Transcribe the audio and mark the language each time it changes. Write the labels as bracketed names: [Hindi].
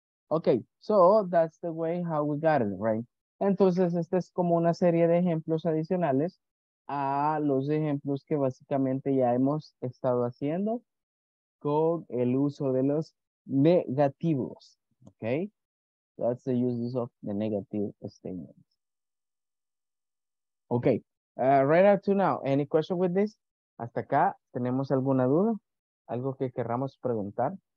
[English] Okay, so that's the way how we got it, right? [Spanish] Entonces, esta es como una serie de ejemplos adicionales a los ejemplos que básicamente ya hemos estado haciendo con el uso de los negativos, okay? [English] That's the uses of the negative statements. Okay, right up to now, any question with this? [Spanish] ¿Hasta acá tenemos alguna duda? ¿Algo que querramos preguntar?